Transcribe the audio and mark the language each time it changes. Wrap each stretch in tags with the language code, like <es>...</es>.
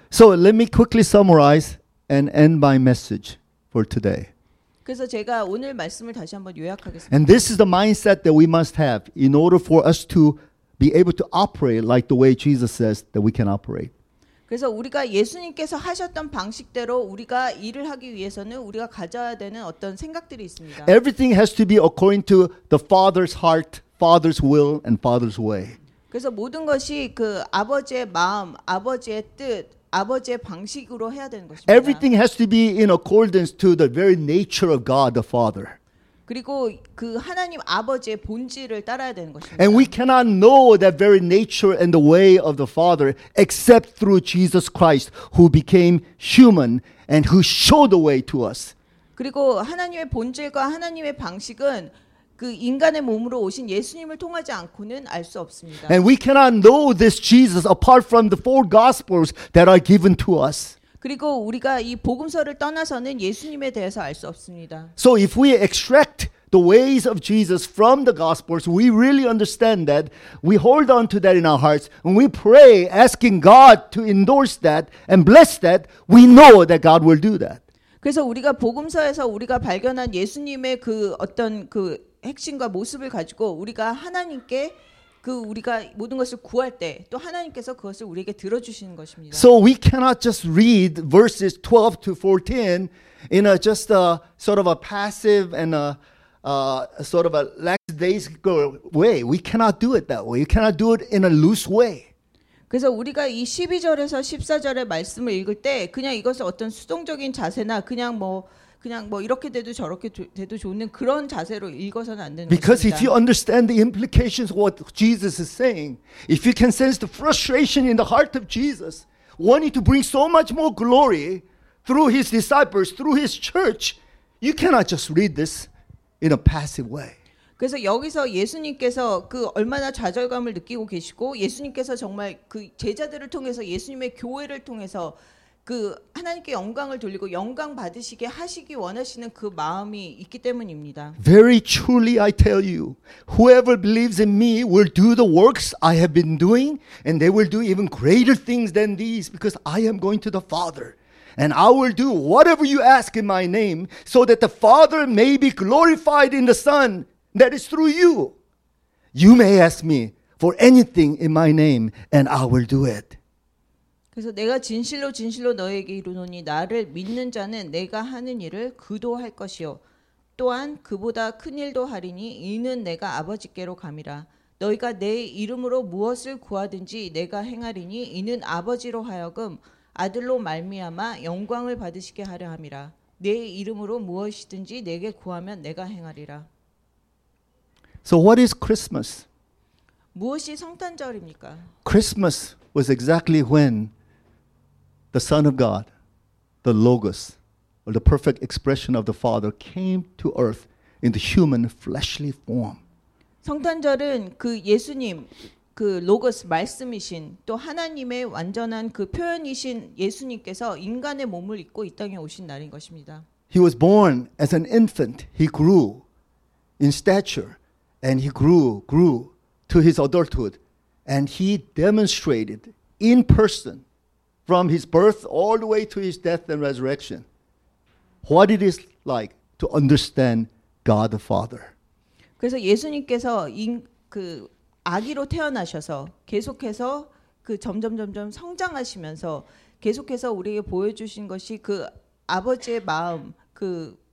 <en>So let me quickly summarize and end my message for today.</en> <ko>그래서 제가 오늘 말씀을 다시 한번 요약하겠습니다.</ko> <en>And this is the mindset that we must have in order for us to be able to operate like the way Jesus says that we can operate.</en> <ko>그래서 우리가 예수님께서 하셨던 방식대로 우리가 일을 하기 위해서는 우리가 가져야 되는 어떤 생각들이 있습니다.</ko> <en>Everything has to be according to the Father's heart, Father's will, and Father's way.</en> <ko>그래서 모든 것이 그 아버지의 마음, 아버지의 뜻, 아버지의 방식으로 해야 되는 것입니다.</ko> <en>Everything has to be in accordance to the very nature of God the Father.</en> <ko>그리고 그 하나님 아버지의 본질을 따라야 되는 것입니다.</ko> <en>And we cannot know that very nature and the way of the Father except through Jesus Christ who became human and who showed the way to us.</en> <ko>그리고 하나님의 본질과 하나님의 방식은 그 인간의 몸으로 오신 예수님을 통하지 않고는 알 수 없습니다.</ko> <en>And we cannot know this Jesus apart from the four gospels that are given to us.</en> <ko>그리고 우리가 이 복음서를 떠나서는 예수님에 대해서 알 수 없습니다.</ko> <en>So if we extract the ways of Jesus from the gospels, we really understand that, we hold on to that in our hearts, and we pray, asking God to endorse that and bless that, we know that God will do that.</en> <ko>그래서 우리가 복음서에서 우리가 발견한 예수님의 그 어떤 그 핵심과 모습을 가지고 우리가 하나님께 그 우리가 모든 것을 구할 때 또 하나님께서 그것을 우리에게 들어주시는 것입니다.</ko> <en>So we cannot just read verses 12 to 14 in a just a sort of a passive and a sort of a lackadaisical way. We cannot do it that way. You cannot do it in a loose way.</en> <ko>그래서 우리가 이 12절에서 14절의 말씀을 읽을 때 그냥 이것을 어떤 수동적인 자세나 그냥 뭐 그냥 뭐 이렇게 돼도 저렇게 돼도 좋는 그런 자세로 읽어서는 안 되는</ko> <en>Because</en> <ko>것입니다.</ko> <en>Because if you understand the implications of what Jesus is saying, if you can sense the frustration in the heart of Jesus, wanting to bring so much more glory through his disciples, through his church, you cannot just read this in a passive way.</en> <ko>그래서 여기서 예수님께서 그 얼마나 좌절감을 느끼고 계시고 예수님께서 정말 그 제자들을 통해서 예수님의 교회를 통해서 그 하나님께 영광을 돌리고 영광 받으시게 하시기 원하시는 그 마음이 있기 때문입니다.</ko> <en>Very truly I tell you, whoever believes in me will do the works I have been doing, and they will do even greater things than these, because I am going to the Father. And I will do whatever you ask in my name, so that the Father may be glorified in the Son, that is through you. You may ask me for anything in my name, and I will do it.</en> <ko>그래서 내가 진실로 진실로 너에게 이르노니 나를 믿는 자는 내가 하는 일을 그도 할 것이요 또한 그보다 큰 일도 하리니 이는 내가 아버지께로 감이라 너희가 내 이름으로 무엇을 구하든지 내가 행하리니 이는 아버지로 하여금 아들로 말미암아 영광을 받으시게 하려 함이라 내 이름으로 무엇이든지 내게 구하면 내가 행하리라.</ko> <en>So what is Christmas?</en> <ko>무엇이 성탄절입니까?</ko> <en>Christmas was exactly when the Son of God, the Logos, or the perfect expression of the Father, came to earth in the human fleshly form.</en> <ko>성탄절은 그 예수님, 그 로고스 말씀이신 또 하나님의 완전한 그 표현이신 예수님께서 인간의 몸을 입고 이 땅에 오신 날인 것입니다.</ko> <en>He was born as an infant. He grew in stature, and he grew to his adulthood, and he demonstrated in person from his birth all the way to his death and resurrection, what it is like to understand God the Father.</en> <ko>그래서 예수님께서 그 아기로 태어나셔서 계속해서 그 점점 성장하시면서 계속해서 우리에게 보여주신 것이 그 아버지의 마음 그</ko>